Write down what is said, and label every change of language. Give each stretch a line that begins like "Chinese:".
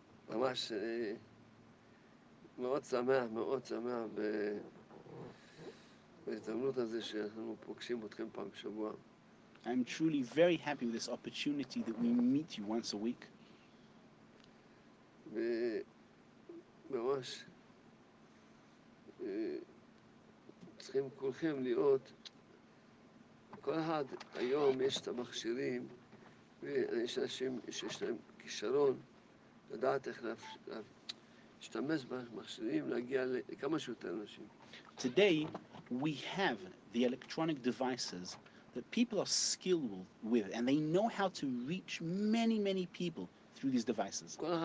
Hebrew: ממש מאוד שמח, מאוד שמח בהזדמנות הזה שאנחנו פוגשים אתכם פעם בשבוע.
English: I'm truly very happy with this opportunity that we meet you once a week.
Hebrew: וממש צריכים כולכם להיות, כל אחד היום יש את המכשירים ויש אנשים שיש להם כישרון.
English: Today, we have the electronic devices that people are skilled with, and they know how to reach many, many people through these devices.